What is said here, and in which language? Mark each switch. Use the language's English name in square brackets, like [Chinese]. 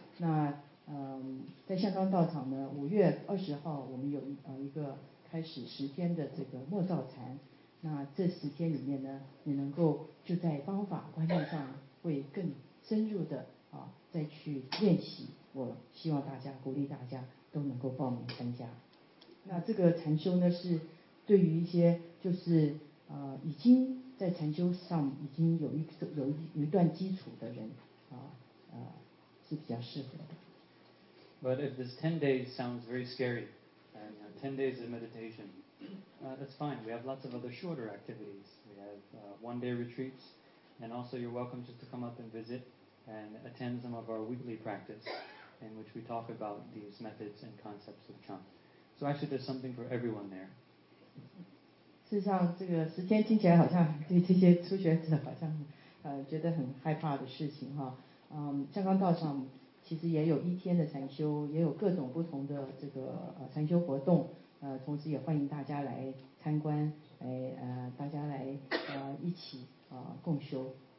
[Chinese] 那在香港道场呢，5月20号我们有一个开始10天的这个默照禅，那这10天里面呢，你能够就在方法观念上会更深入的再去练习，我希望大家鼓励大家都能够报名参加。那这个禅修呢，是对于一些就是已经在禅修上已经有一段基础的人是比较适合的。 [English] But if this 10 days sounds very scary, and 10 days of meditation, that's fine. We have lots of other shorter activities. We have one-day retreats, and also you're welcome just to come up and visit and attend some of our weekly practice in which we talk about these methods and concepts of Chan. So actually there's something for everyone there. [Chinese] 事实上这个时间听起来好像对这些初学者好像觉得很害怕的事情哈。香港道场其实也有一天的禅修，也有各种不同的这个禅修活动，同时也欢迎大家来参观，大家来一起共修。